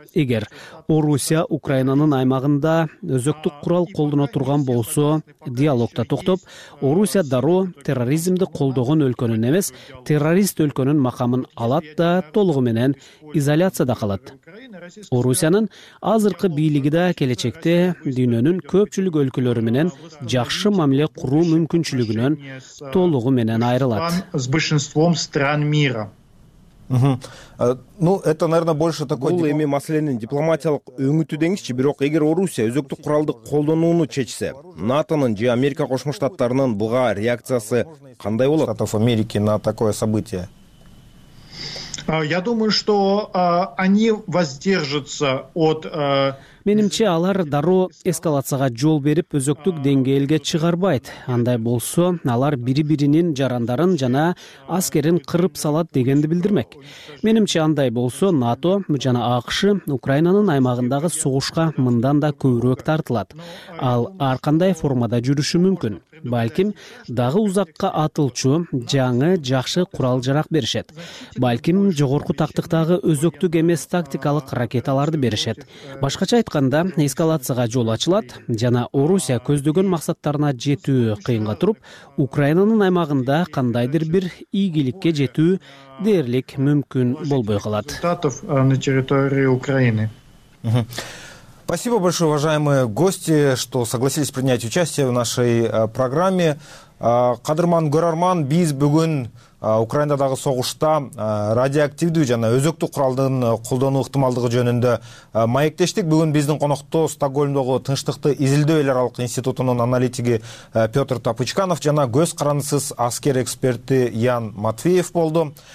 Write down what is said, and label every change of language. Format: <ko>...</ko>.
<ky>Эгер Орусия Украинанын аймагында өзөктүк курал колдоно турган болсо, диалогда токтоп, Орусия дароо терроризмди колдогон өлкөнүн эмес, террорист өлкөнүн макамын алат да толугу менен изоляцияда калат. Орусиянын азыркы бийлиги да келечекте дүйнөнүн көпчүлүк өлкөлөрү менен жакшы мамиле куруу мүмкүнчүлүгүнөн толугу менен айрылат.</ky> <ru>С большинством стран мира. Ну, это, наверное, больше такой...</ru> <ky>Бул эми маселенин дипломатиялык өңүтү деңизчи, бирок эгер Орусия өзөктүк куралды колдонууну чечсе, НАТОнун же Америка Кошмо Штаттарынын буга реакциясы кандай болот?</ky> <ru>Штатов Америки на такое событие. Я думаю, что они воздержатся от...</ru> <ky>Менимче, алар дароо эскалацияга жол берип, өзөктүк деңгээлге чыгарбайт. Андай болсо, алар бири-биринин жарандарын жана аскерин кырып салат дегенди билдирмек. Менимче, андай болсо, НАТО жана АКШ Украинанын аймагындагы согушка мындан да көбүрөөк тартылат. Ал ар кандай формада жүрүшү мүмкүн. Балким дагы узакка атылчу жаңы жакшы курал жарак беришет. Балким жогорку тактыктагы өзөктүк эмес тактикалык ракеталарды беришет. Башкача айтканда, эскалацияга жол ачылат жана Орусия көздөгөн максаттарына жетүү кыйынга туруп, Украинанын аймагында кандайдыр бир ийгиликке жетүү дээрлик мүмкүн болбой калат.</ky> <ru>Штатов на территории Украины. Спасибо большое, уважаемые гости, что согласились принять участие в нашей программе.</ru> <ky>Кадырман Көрөрман, биз бүгүн Украинадагы согушта радиоактивдүү жана өзөктүк куралдын колдонуу ыктымалдыгы жөнүндө маектештик. Бүгүн биздин конокто Стокгольмдогу Тынчтыкты изилдөө эл аралык институтунун аналитиги Петр Тапычканов жана көз карандысыз аскер эксперти Ян Матвеев болду.</ky>